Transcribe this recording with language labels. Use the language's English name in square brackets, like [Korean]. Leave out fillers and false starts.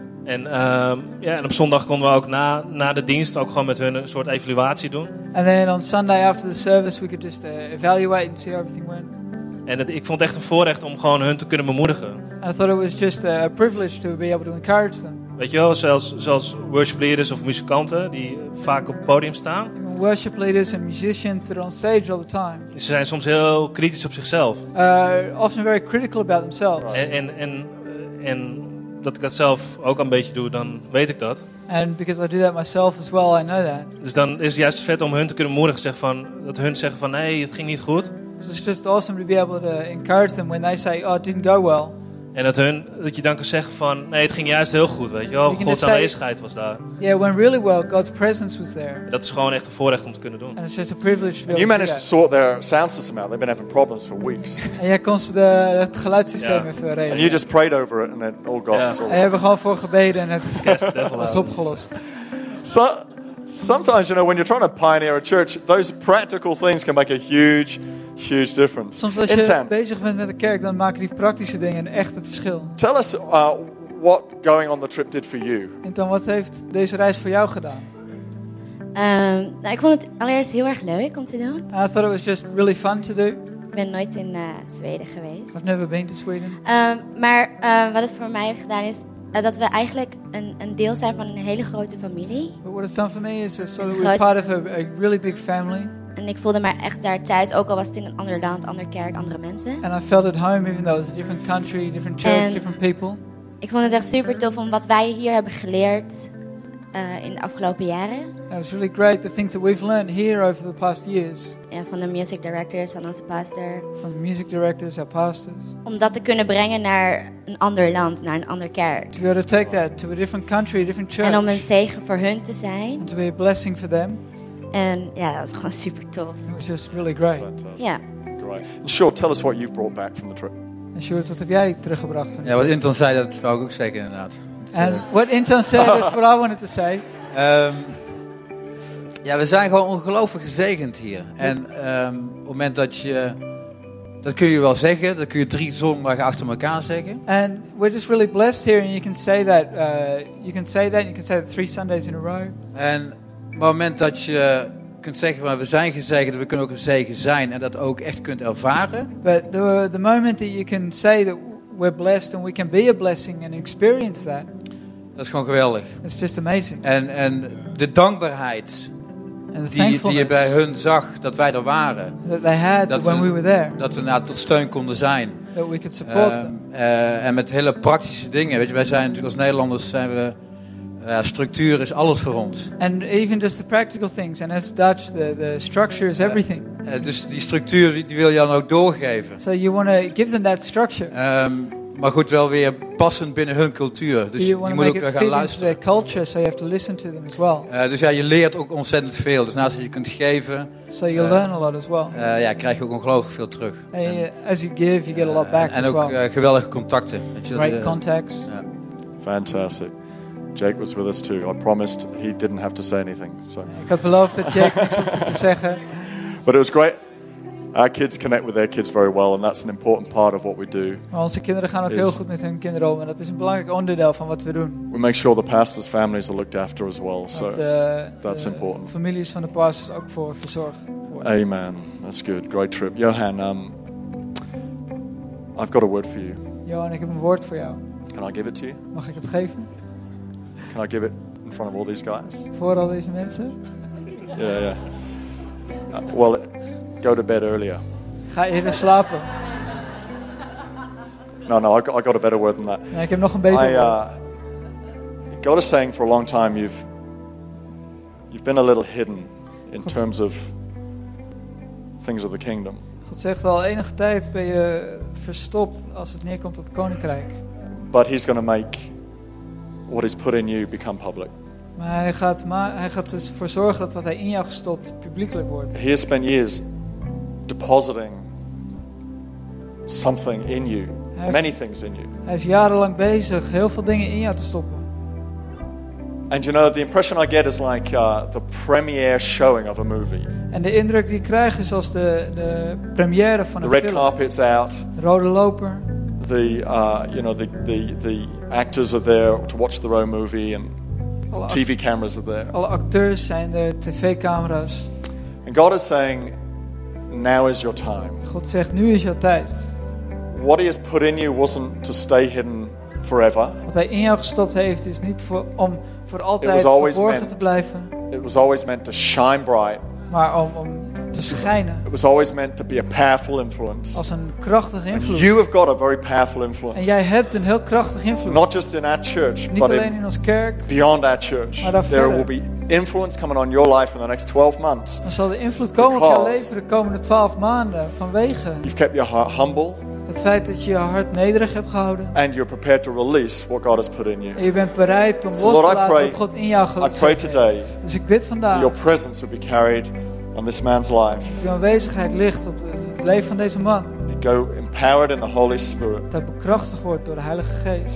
[Dutch] En en op zondag konden we ook na de dienst ook gewoon met hun een soort evaluatie doen. [English] And then on Sunday after the service we could just evaluate and see how everything went. [Dutch] En ik vond het echt een voorrecht om gewoon hun te kunnen bemoedigen. [English] I thought it was just a privilege to be able to encourage them. [Dutch] Weet je wel, zelfs worship leaders of muzikanten die vaak op het podium staan. [English] Worship leaders and musicians that are on stage all the time. [Dutch] Ze zijn soms heel kritisch op zichzelf. [English] Often very critical about themselves. [Dutch] En dat ik dat zelf ook een beetje doe, dan weet ik dat. [English] And because I do that myself as well, I know that. [Dutch] Dus dan is het juist vet om hun te kunnen bemoedigen, zeggen van, nee, het ging niet goed. [English] So it's just awesome to be able to encourage them when they say, oh, it didn't go well. [Dutch] En dat je dan kan zeggen van, nee, het ging juist heel goed, weet je. Oh, Gods aanwezigheid was daar. [English] Yeah, it went really well. God's presence was there. [Dutch] Dat is gewoon echt een voorrecht om te kunnen doen. [English] And it's just a privilege to be able to do that. And you managed to sort their sound system out. They've been having problems for weeks. [Dutch] En jij kon ze het geluidssysteem even regelen. [English] And you just prayed over it and it all got solved. [Dutch] En je hebt er gewoon voor gebeden en het was opgelost. [English] So, sometimes, you know, when you're trying to pioneer a church, those practical things can make a huge difference. [Dutch] Soms als je Intan, bezig bent met de kerk, dan maken die praktische dingen echt het verschil. [English] Tell us what going on the trip did for you. [Dutch] Intan, wat heeft deze reis voor jou gedaan? Nou, ik vond het allereerst heel erg leuk om te doen. [English] I thought it was just really fun to do. [Dutch] Ik ben nooit in Zweden geweest. [English] I've never been to Sweden. [Dutch] Maar wat het voor mij heeft gedaan is dat we eigenlijk een deel zijn van een hele grote familie. [English] But what it's done for me is that we're part of a really big family. [Dutch] En ik voelde me echt daar thuis, ook al was het in een ander land, ander kerk, andere mensen. [English] And I felt at home, even though it was a different country, different church, [Dutch] en [English] different people. [Dutch] Ik vond het echt super tof om wat wij hier hebben geleerd in de afgelopen jaren. [English] And it was really great the things that we've learned here over the past years. [Dutch] Ja, van de music directors en onze pastor. [English] From the music directors, our pastors. [Dutch] Om dat te kunnen brengen naar een ander land, naar een ander kerk. [English] To be able to take that to a different country, a different church. [Dutch] En om een zegen voor hun te zijn. [English] And to be a blessing for them. [Dutch] En ja, dat was gewoon super tof. [English] It was just really great. [Dutch] Ja. [English] Great. Sure, tell us what you've brought back from the trip. [Dutch] En Sjoerd, wat heb jij teruggebracht? Ja, wat Anton zei, dat wou ik ook zeggen inderdaad. And what Anton said, that's what I wanted to say. Ja, we zijn gewoon ongelooflijk gezegend hier. En op het moment dat je... Dat kun je wel zeggen. Dat kun je drie zondagen achter elkaar zeggen. [English] And we're just really blessed here. And you can say that. You can say that. You can say that three Sundays in a row. [Dutch] En op het moment dat je... kunt zeggen van we zijn gezegend, we kunnen ook een zegen zijn en dat ook echt kunt ervaren. [English] But the moment that you can say that we're blessed and we can be a blessing and experience that. [Dutch] Dat is gewoon geweldig. [English] It's just amazing. [Dutch] En de dankbaarheid die je bij hun zag dat wij er waren. [English] That they had dat when we were there. [Dutch] Dat we nou tot steun konden zijn. [English] That we could support them. [Dutch] En met hele praktische dingen, weet je, wij zijn natuurlijk als Nederlanders zijn we structuur is alles voor ons. [English] And even just the practical things. And as Dutch, the structure is everything. [Dutch] Dus die structuur die wil je dan ook doorgeven. [English] So you want to give them that structure. [Dutch] Maar goed, wel weer passend binnen hun cultuur. Dus [English] you [Dutch] je moet ook weer gaan luisteren. [English] Their culture, so you have to listen to them as well. [Dutch] Dus ja, je leert ook ontzettend veel. Dus naast dat je kunt geven. [English] So you learn a lot as well. [Dutch] Ja, krijg je ook ongelooflijk veel terug. [English] As you give, you get a lot back [Dutch] en [English] as [Dutch] ook, [English] well. [Dutch] En ook geweldige contacten. [English] Great contacts. Fantastic. Jake was with us too. I promised he didn't have to say anything. So. [Dutch] Ik had beloofd dat Jake niet te zeggen. [English] But it was great. Our kids connect with their kids very well, and that's an important part of what we do. [Dutch] Maar onze kinderen gaan ook heel goed met hun kinderen om, en dat is een belangrijk onderdeel van wat we doen. [English] We make sure the pastors' families are looked after as well. So that's [Dutch] de [English] important. [Dutch] Families van de pastors ook voor verzorgd. [English] Amen. That's good. Great trip, Johan. I've got a word for you. [Dutch] Johan, ik heb een woord voor jou. [English] Can I give it to you? [Dutch] Mag ik het geven? [English] Can I give it in front of all these guys? [Dutch] Voor al deze mensen? [English] Yeah, yeah. Well, go to bed earlier. [Dutch] Ga eerder slapen. [English] No, I got a better word than that. [Dutch] Nee, ik heb nog een beter woord. [English] God is saying for a long time you've been a little hidden in God. Terms of things of the kingdom. [Dutch] God zegt al enige tijd ben je verstopt als het neerkomt op het koninkrijk. [English] But he's going to make what he's put in you become public. [Dutch] Maar hij gaat dus voor zorgen dat wat hij in jou gestopt publiekelijk wordt. [English] He has spent years depositing something in you, many things in you. [Dutch] Hij is jarenlang bezig heel veel dingen in jou te stoppen. [English] And you know, the impression I get is like the premiere showing of a movie. [Dutch] En de indruk die ik krijg is als de première van een film. [English] The red carpet's out. [Dutch] De rode loper. [English] The you know the actors are there to watch their own movie and TV cameras are there. [Dutch] Alle acteurs zijn er, tv-camera's. [English] And God is saying, now is your time. [Dutch] God zegt, nu is jouw tijd. [English] What he has put in you wasn't to stay hidden forever. [Dutch] Wat hij in jou gestopt heeft is niet om voor altijd verborgen te blijven. [English] It was always meant to shine bright. [Dutch] Maar om te schijnen. [English] It was always meant to be a powerful influence. [Dutch] Als een krachtige invloed. [English] And you have got a very powerful influence. [Dutch] En jij hebt een heel krachtige invloed. [English] Not just in our church, [Dutch] niet [English] but [Dutch] alleen in ons kerk. [English] Beyond our church. [Dutch] Maar daar [English] there will be influence coming on your life in the next 12 months. [Dutch] Er zal de invloed komen op jouw leven de komende 12 maanden vanwege. [English] You've kept your heart humble. [Dutch] Het feit dat je je hart nederig hebt gehouden. [English] And you're prepared to release what God has put in you. [Dutch] En je bent bereid om [English] so [Dutch] los te [English] Lord, [Dutch] laten [English] pray, [Dutch] wat God in jou gelegd [English] I pray today, [Dutch] heeft. Dus ik bid vandaag. [English] Your presence will be carried on this man's life. [Dutch] Dat uw aanwezigheid ligt op het leven van deze man. [English] He go empowered in the Holy Spirit. [Dutch] Dat hij bekrachtigd wordt door de Heilige Geest.